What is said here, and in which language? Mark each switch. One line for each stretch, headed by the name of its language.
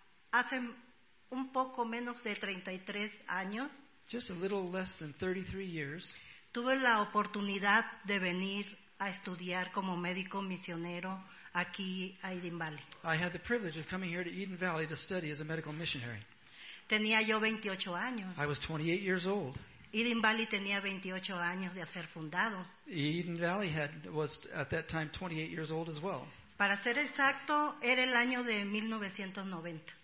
Spanish: Hace un poco menos de 33 años.
English: Just a little less than 33 years.
Spanish: Tuve la oportunidad de venir a estudiar como médico misionero aquí a Eden Valley.
English: I had the privilege of coming here to Eden Valley to study as a medical missionary.
Spanish: Tenía yo 28 años.
English: I was 28 years old.
Spanish: Eden Valley tenía 28 años de ser fundado.
English: Eden Valley was at that time 28 years old as well.
Spanish: Para ser exacto, era el año de 1990.